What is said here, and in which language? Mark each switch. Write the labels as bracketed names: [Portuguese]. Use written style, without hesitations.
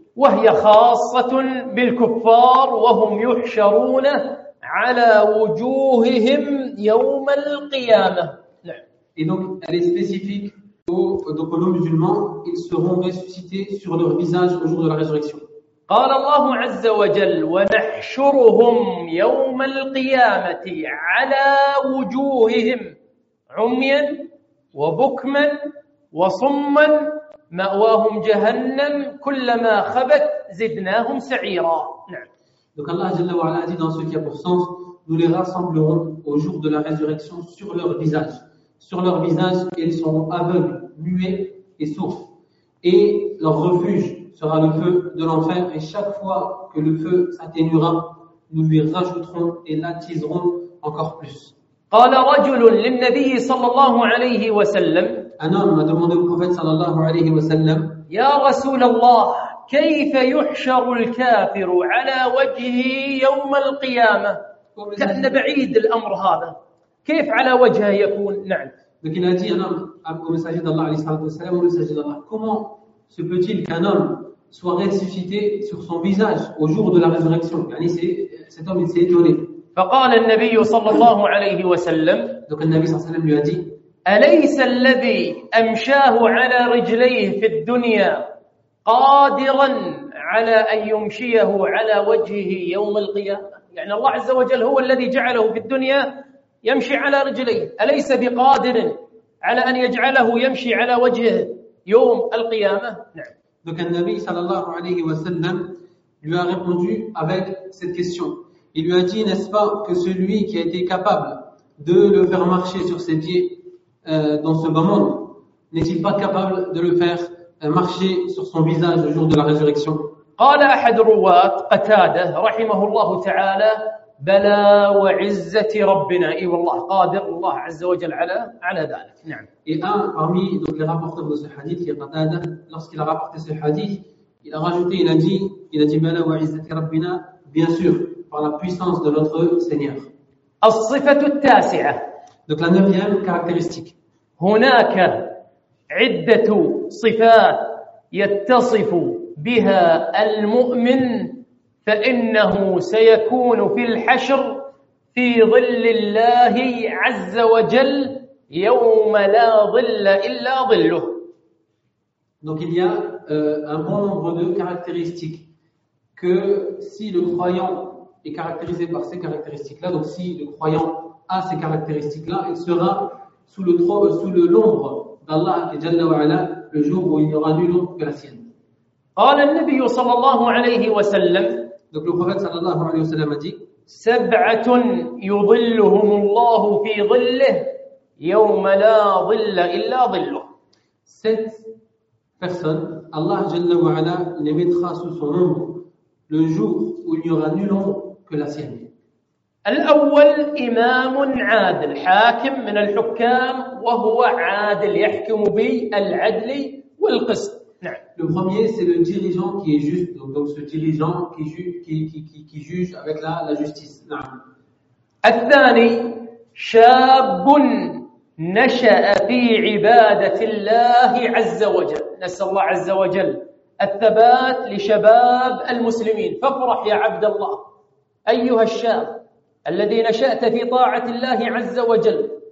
[Arabic] وهي خاصة بالكفار وهم يحشرون على وجوههم يوم القيامة. [French] Et donc elle est spécifique aux musulmans. Ils seront ressuscités sur leur visage au jour de la résurrection. [Arabic] قال الله عز وجل ونحشرهم يوم القيامة على وجوههم عميا وبكما وصما مأواهم جهنم كلما خبت زدناهم سعيرا. [French] Donc Allah [Arabic] جل وعلا [French] a dit dans ce qui a pour sens, nous les rassemblerons au jour de la résurrection sur leur visage. Sur leur visage, ils seront aveugles, muets et sourds. Et leur refuge sera le feu de l'enfer, et chaque fois que le feu s'atténuera, nous lui rajouterons et l'attiserons encore plus. [Arabic] قال رجل للنبي صلى الله عليه وسلم. [French] Un homme a demandé au prophète [Arabic] صلى الله عليه وسلم. يا رسول الله كيف يحشر الكافر على وجهه يوم القيامة؟ كأن بعيد الأمر هذا. كيف على وجهه يكون؟ نعم. [French] Donc il a dit un homme au messager d'Allah [Arabic] عليه الصلاة والسلام [French] au messager d'Allah. Comment se peut-il qu'un homme soit ressuscité sur son visage au jour de la résurrection. Yani cet homme il s'est étonné. [Arabic] فقال النبي صلى الله عليه وسلم. [French] Donc le Nabi [Arabic] صلى الله عليه وسلم [French] lui a dit. [Arabic] أليس الذي أمشاه على رجليه في الدنيا قادرا على أن يمشيه على وجهه يوم القيامة؟ يعني الله عز وجل هو الذي جعله في الدنيا يمشي على رجليه. أليس بقادر على أن يجعله يمشي على وجهه يوم القيامة؟ نعم. [French] Donc le Nabi [Arabic] sallallahu alayhi wa sallam [French] lui a répondu avec cette question. Il lui a dit, n'est-ce pas que celui qui a été capable de le faire marcher sur ses pieds dans ce bas monde, n'est-il pas capable de le faire marcher sur son visage le jour de la résurrection ? [Arabic] قال أحد رواة قتادة رحمه الله تعالى بلا وعزة ربنا إي والله قادر الله عز وجل على ذلك نعم. [French] Et un parmi donc les rapporteurs de ce hadith qui est Qatada, lorsqu'il a rapporté ce hadith, il a rajouté, il a dit [Arabic] بلا وعزة ربنا, [French] bien sûr par la puissance de notre Seigneur. [Arabic] الصفة التاسعة. [French] Donc la neuvième caractéristique. [Arabic] هناك عدة صفات يتصف بها المؤمن فإنه سيكون في الحشر في ظل الله عز وجل يوم لا ظل إلا ظله. [French] Donc il y a un bon nombre de caractéristiques que si le croyant est caractérisé par ces caractéristiques-là, donc si le croyant a ces caractéristiques-là, il sera sous l'ombre d'Allah [Arabic] Jalla wa Ala [French] le jour où il n'y aura nulle ombre que la sienne. [Arabic] قال النبي صلى الله عليه وسلم. [French] Donc le prophète [Arabic] صلى الله عليه وسلم [French] a dit: [Arabic] سبعة يظلهم الله في ظله يوم لا ظل إلا ظله. [French] Sept personnes, Allah [Arabic] جل وعلا [French] les mettra sous son ombre le jour où il n'y aura nul ombre que la sienne. [Arabic] الأول إمام عادل حاكم من الحكام وهو عادل يحكم بالعدل والقسط. [French] Le premier, c'est le dirigeant qui est juste, donc ce dirigeant qui juge avec la justice. [Arabic] الثاني شاب نشأ في عبادة الله عز وجل. نسأل الله عز وجل الثبات لشباب المسلمين. فافرح يا عبد الله أيها الشاب الذي نشأت في طاعة الله عز وجل.